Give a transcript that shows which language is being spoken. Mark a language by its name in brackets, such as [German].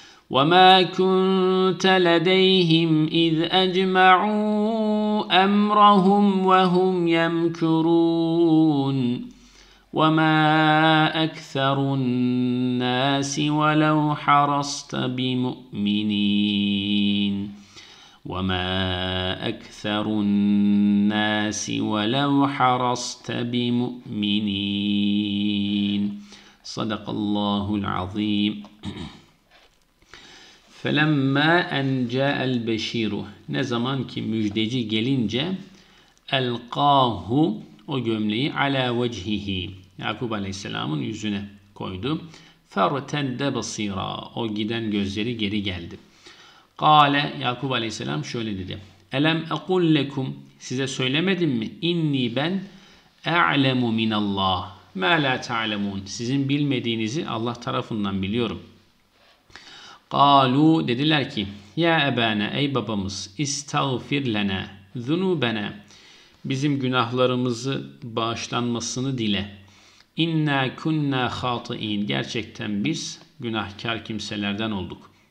[Arabic] وما كنت لديهم إذ أجمعوا أمرهم وهم يمكرون وما أكثر الناس ولو حرصت بمؤمنين وما أكثر الناس ولو حرصت بمؤمنين صدق الله العظيم فَلَمَّا أَنْ جَاءَ الْبَشِيرُ [Turkish] Ne zaman ki müjdeci gelince [Arabic] اَلْقَاهُ [Turkish] O gömleği [Arabic] عَلَى وَجْهِهِ [Turkish] Yakup Aleyhisselam'ın yüzüne koydu. [Arabic] فَرْتَدَّ بَصِيرًا [Turkish] O giden gözleri geri geldi. قَالَ Yakup Aleyhisselam şöyle dedi. [Arabic] اَلَمْ اَقُلْ لَكُمْ [Turkish] Size söylemedim mi? [Arabic] اِنِّي بَنْ اَعْلَمُ مِنَ اللّٰهِ مَا لَا تَعْلَمُونَ [Turkish] Sizin bilmediğinizi Allah tarafından biliyorum. قالوا dediler ki [Arabic] يا أبانا [Turkish] ey babamız [Arabic] استغفر لنا ذنوبنا [Turkish] bizim günahlarımızı bağışlanmasını dile [Arabic] إنا كنا خاطئين [Turkish] gerçekten biz günahkar kimselerden olduk